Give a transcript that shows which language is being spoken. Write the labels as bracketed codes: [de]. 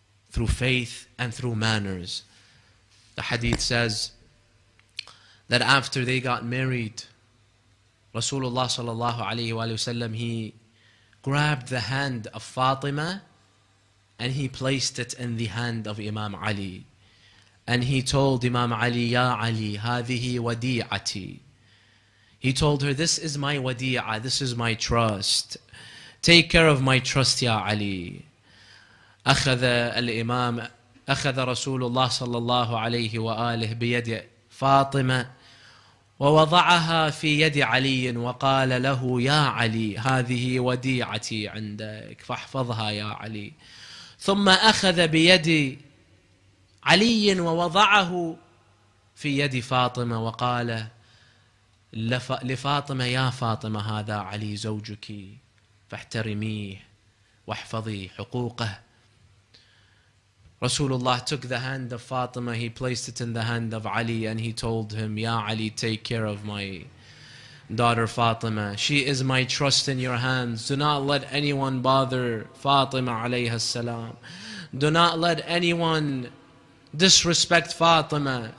[en] Through faith and through manners. The hadith says that after they got married, Rasulullah sallallahu alayhi wa sallam, he grabbed the hand of Fatima and he placed it in the hand of Imam Ali. And he told Imam Ali, Ya Ali, [ar] hadihi wadi'ati. [en] He told her, this is my wadi'a, this is my trust. Take care of my trust, Ya Ali. [ar] Akhadha al-imam. أخذ رسول الله صلى الله عليه وآله بيد فاطمة ووضعها في يد علي وقال له يا علي هذه وديعتي عندك فاحفظها يا علي ثم أخذ بيد علي ووضعه في يد فاطمة وقال لفاطمة يا فاطمة هذا علي زوجك فاحترميه واحفظي حقوقه. [en] Rasulullah took the hand of Fatima, he placed it in the hand of Ali, and he told him, Ya Ali, take care of my daughter Fatima. She is my trust in your hands. Do not let anyone bother Fatima alayhi salam. Do not let anyone disrespect Fatima.